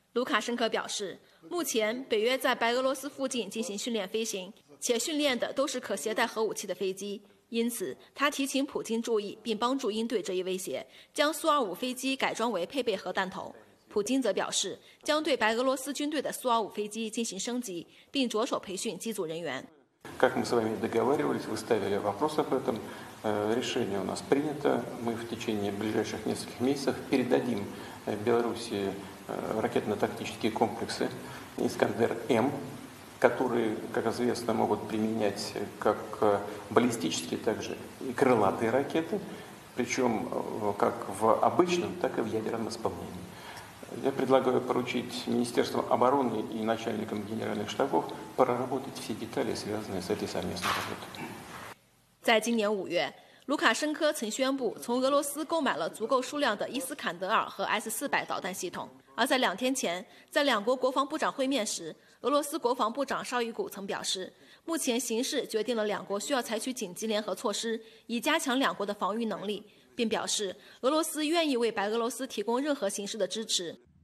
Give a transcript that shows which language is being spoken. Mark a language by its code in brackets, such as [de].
[zh] 卢卡申科表示，目前北约在白俄罗斯附近进行训练飞行，且训练的都是可携带核武器的飞机，因此他提醒普京注意并帮助应对这一威胁，将苏-25飞机改装为配备核弹头。普京则表示，将对白俄罗斯军队的苏-25飞机进行升级，并着手培训机组人员。 [ru] Как мы с вами договаривались, вы ставили вопрос об этом. Решение у нас принято. Мы в течение ближайших нескольких месяцев передадим Беларуси ракетно-тактические комплексы «Искандер-М», которые, как известно, могут применять как баллистические, так же и крылатые ракеты, причем как в обычном, так и в ядерном исполнении. Я предлагаю поручить Министерству обороны и начальникам генеральных штабов проработать все детали, связанные с этой совместной работой. [zh] 卢卡申科曾宣布从俄罗斯购买了足够数量的伊斯坎德尔和 S-400 导弹系统。而在2天前，在两国国防部长会面时，俄罗斯国防部长绍伊古曾表示，目前形势决定了两国需要采取紧急联合措施，以加强两国的防御能力，并表示俄罗斯愿意为白俄罗斯提供任何形式的支持。